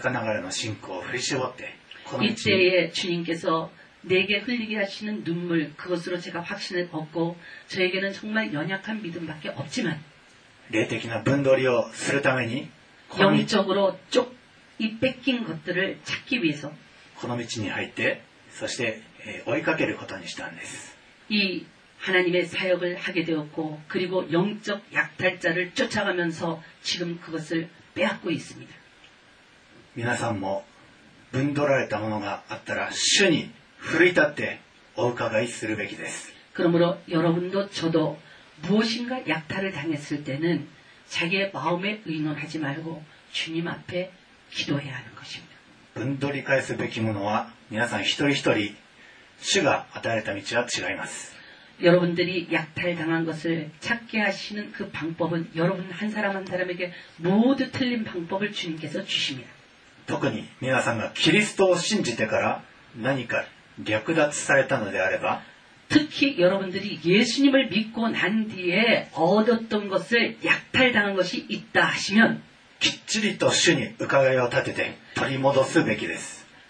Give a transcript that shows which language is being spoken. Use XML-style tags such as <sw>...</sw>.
<ja>そういうわけで私はまあわずかながらの信仰を振り絞って</ja> <ko>이때에 주님께서 내게 흘리게 하시는 눈물 그것으로 제가 확신을 얻고 저에게는 정말 연약한 믿음밖에 없지만</ko> <ja>霊的な分取りをするために</ja> <ko>영적으로 쪽 이 뺏긴 것들을 찾기 위해서</ko> <ja>この道に入ってそして追いかけることにしたんです。</ja> <ko>이 하나님의 사역을 하게 되었고 그리고 영적 약탈자를 쫓아가면서 지금 그것을 빼앗고 있습니다.</ko> <ja>皆さんも 分取られたものがあったら主に奮い立ってお伺いするべきです。</ja> <ko>그러므로 여러분도 저도 무엇인가 약탈을 당했을 때는 자기의 마음에 의논하지 말고 주님 앞에 기도해야 하는 것입니다.</ko> <ja>分取り返すべきものは皆さん一人一人主が与えた道は違います。</ja> <ko>여러분들이 약탈당한 것을 찾게 하시는 그 방법은 여러분 한 사람 한 사람에게 모두 틀린 방법을 주님께서 주십니다.</ko> <ja>特に皆さんがキリストを信じてから何か略奪されたのであれば、</ja> <ko>특히여러분들이예수님을믿고난뒤에얻었던것을약탈당한것이있다하시면</ko> <ja>きっちりと主に伺いを立てて取り戻すべきです。</ja>